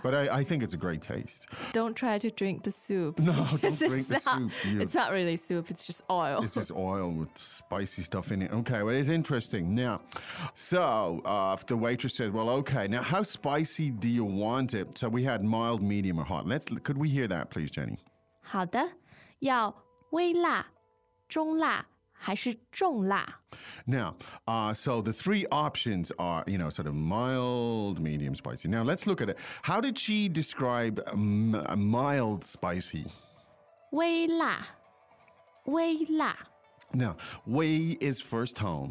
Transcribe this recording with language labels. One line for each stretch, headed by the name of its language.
English: But I think it's a great taste. Don't try to drink the soup. No, don't drink the soup. It's not really soup, it's just oil. It's just oil with spicy stuff in it. Okay, well, it's interesting. Now, so the waitress said, well, okay, now how spicy do you want it? So we had mild, medium, or hot. Could we hear that, please, Jenny?
Chinese: 好的，要微辣、中辣还是重辣
English: ？Now, so the three options are, you know, sort of mild, medium, spicy. Now let's look at it. How did she describe mild spicy?
Chinese: 微辣，微辣。
English: Now, 微 is first tone.